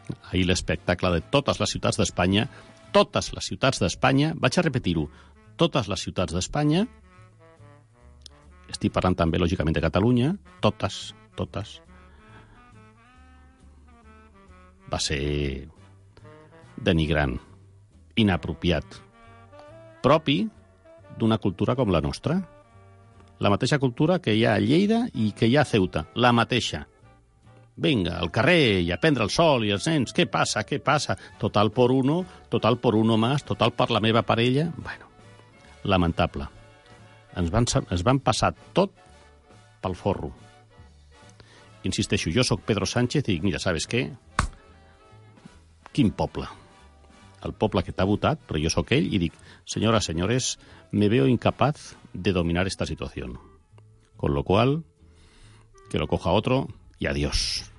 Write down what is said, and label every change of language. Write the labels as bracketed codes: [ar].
[ca] Ahir l'espectacle de totes les ciutats d'Espanya, totes les ciutats d'Espanya, vaig a repetir-ho, totes les ciutats d'Espanya, estic parlant també, lògicament, de Catalunya, totes, va ser denigrant, inapropiat, propi d'una cultura com la nostra. La mateixa cultura que hi ha a Lleida i que hi ha a Ceuta. La mateixa. Vinga, al carrer i a prendre el sol i els nens. Què passa? [es] Total por uno más, [ca] total per la meva parella. Bueno, lamentable. Ens van passar tot pel forro. Insisteixo, jo sóc Pedro Sánchez i dic: mira, saps què? Quin poble? El poble que t'ha votat, però jo sóc ell, i dic: senyores, senyores, [es] me veo incapaz de dominar esta situación. Con lo cual, que lo coja otro y adiós.